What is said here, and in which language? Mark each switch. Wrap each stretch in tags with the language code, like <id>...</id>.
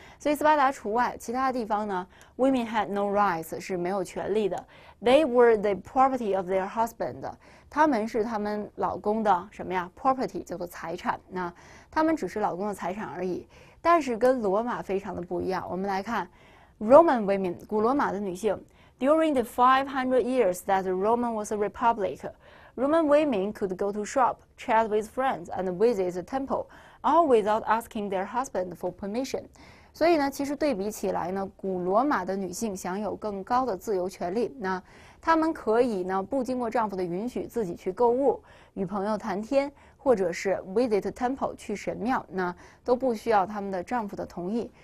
<zh>所以斯巴达除外，其他地方呢，</zh> <en>Women had no rights</en> <zh>是没有权利的。</zh> <en>They were the property of their husband。</en> <zh>她们是她们老公的什么呀？property 叫做财产。她们只是老公的财产而已。但是跟罗马非常的不一样，我们来看，</zh> <en>Roman women,</en> <zh>古罗马的女性。</zh> <en>During the 500 years that Rome was a republic, Roman women could go to shop, chat with friends, and visit the temple, all without asking their husband for permission.</en> <zh>所以呢，其实对比起来呢，古罗马的女性享有更高的自由权利。那她们可以呢，不经过丈夫的允许自己去购物、与朋友谈天，或者是</zh> <en>visit temple</en> <zh>去神庙，那都不需要她们的丈夫的同意。</zh>